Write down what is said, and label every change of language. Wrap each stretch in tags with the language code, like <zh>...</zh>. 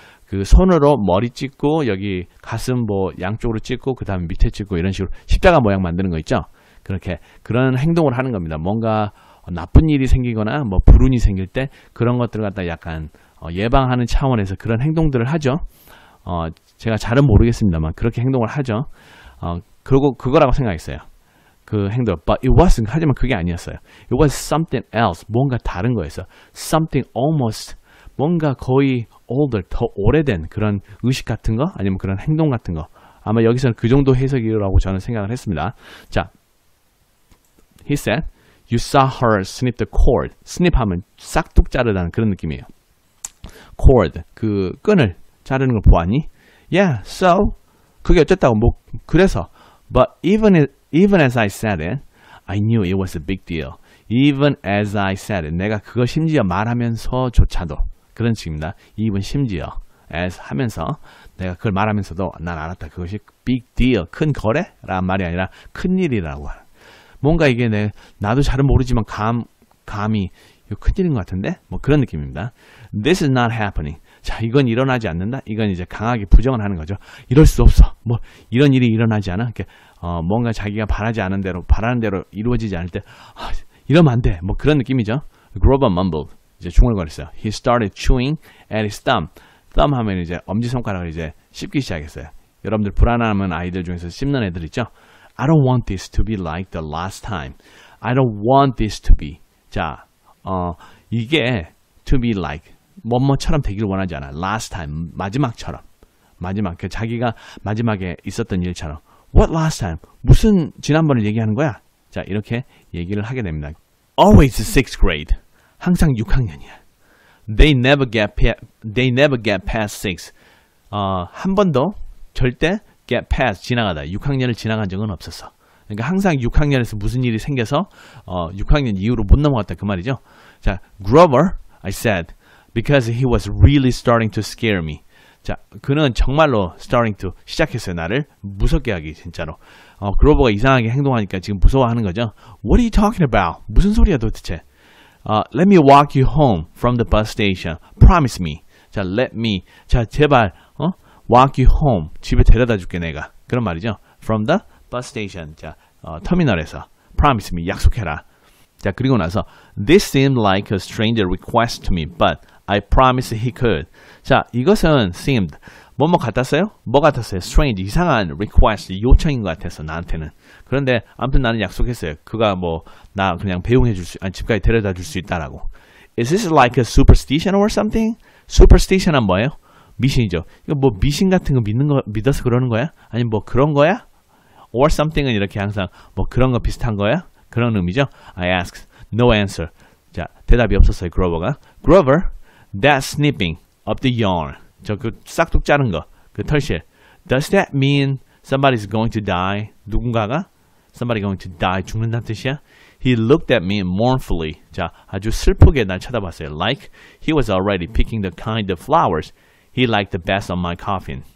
<ko>그 손으로 머리 찍고 여기 가슴 뭐 양쪽으로 찍고 그 다음에 밑에 찍고 이런 식으로 십자가 모양 만드는 거 있죠 그렇게 그런 행동을 하는 겁니다 뭔가 나쁜 일이 생기거나 뭐 불운이 생길 때 그런 것들 갖다 약간 예방하는 차원에서 그런 행동들을 하죠 제가 잘은 모르겠습니다만 그렇게 행동을 하죠 그리고 그거라고 생각했어요. 그 행동.</ko> <en>But it wasn't.</en> <ko>하지만 그게 아니었어요.</ko> <en>It was something else.</en> <ko>뭔가 다른 거였어.</ko> <en>Something almost.</en> <ko>뭔가 거의 older, 더 오래된 그런 의식 같은 거, 아니면 그런 행동 같은 거. 아마 여기서는 그 정도 해석이라고 저는 생각을 했습니다.</ko> <en>자, he said, "You saw her snip the cord."</en> <ko>Snip 하면 싹둑 자르다는 그런 느낌이에요. Cord, 그 끈을 자르는 걸 보았니?</ko> <en>Yeah, so</en> <ko>그게 어쨌다고 뭐 그래서.</ko> <en>But even as I said it, I knew it was a big deal. Even as I said it,</en> <ko>내가 그거 심지어 말하면서조차도. 그런 식입니다. 이분 심지어 as 하면서 내가 그걸 말하면서도 난 알았다. 그것이 big deal, 큰 거래라는 말이 아니라 큰 일이라고 하는. 뭔가 이게 내 나도 잘은 모르지만 감히 이거 큰일인 것 같은데 뭐 그런 느낌입니다.</ko> <en>This is not happening.</en> <ko>자, 이건 일어나지 않는다. 이건 이제 강하게 부정을 하는 거죠. 이럴 수 없어. 뭐 이런 일이 일어나지 않아. 이렇게 뭔가 자기가 바라지 않은 대로 바라는 대로 이루어지지 않을 때 이러면 안 돼. 뭐 그런 느낌이죠.</ko> <en>Grover mumbled.</en> <ko>이제 중얼거렸어요.</ko> <en>He started chewing at his thumb.</en> <ko>Thumb 하면 이제 엄지손가락을 이제 씹기 시작했어요. 여러분들 불안하면 아이들 중에서 씹는 애들 있죠?</ko> <en>I don't want this to be like the last time. I don't want this to be. 자, 이게 to be like</en> <ko>뭐뭐처럼 되기를 원하지 않아. Last time, 마지막처럼. 마지막, 그 자기가 마지막에 있었던 일처럼.</ko> <en>What last time?</en> <ko>무슨 지난번을 얘기하는 거야? 자, 이렇게 얘기를 하게 됩니다.</ko> <en>Always sixth grade.</en> <ko>항상 6학년이야.</ko> <en>They never get past 6.</en> <ko>한 번도 절대</ko> <en>get past 지나가다.</en> <ko>6학년을 지나간 적은 없었어. 그러니까 항상 6학년에서 무슨 일이 생겨서 6학년 이후로 못 넘어갔다 그 말이죠.</ko> <en>자, Grover, I said, because he was really starting to scare me.</en> <ko>자, 그는 정말로 starting to 시작했어요. 나를 무섭게 하기 진짜로. Grover가 이상하게 행동하니까 지금 무서워하는 거죠.</ko> <en>What are you talking about?</en> <ko>무슨 소리야 도대체?</ko> <en>Let me walk you home from the bus station. Promise me. 자, let me. 자, 제발, walk you home.</en> <ko>집에 데려다 줄게, 내가. 그런 말이죠.</ko> <en>From the bus station.</en> <ko>자, 터미널에서.</ko> <en>Promise me.</en> <ko>약속해라. 자, 그리고 나서.</ko> <en>This seemed like a stranger request to me, but I promised he could.</en> <ko>자, 이것은 seemed. 뭐뭐 같았어요? 뭐 같았어요? Strange. 이상한 request. 요청인 것 같아서, 나한테는. 그런데 아무튼 나는 약속했어요. 그가 뭐나 그냥 배웅해 줄 수, 아니 집까지 데려다 줄수 있다라고.</ko> <en>Is this like a superstition or something? Superstition은</en> <ko>뭐예요? 미신이죠. 이거 뭐 미신 같은 거 믿는 거 믿어서 그러는 거야? 아니면 뭐 그런 거야? Or something은 이렇게 항상 뭐 그런 거 비슷한 거야? 그런 의미죠.</ko> <en>I asked. No answer.</en> <ko>자, 대답이 없었어요. Grover가.</ko> <en>Grover, that snipping of the yarn.</en> <ko>저그 싹둑 자른 거, 그 털실.</ko> <en>Does that mean somebody's going to die?</en> <ko>누군가가?</ko> <en>Somebody going to die,</en> <ko>죽는다는 뜻이야?</ko> <en>He looked at me mournfully.</en> <ko>자, 아주 슬프게 날 쳐다봤어요.</ko> <en>Like he was already picking the kind of flowers he liked the best on my coffin.</en>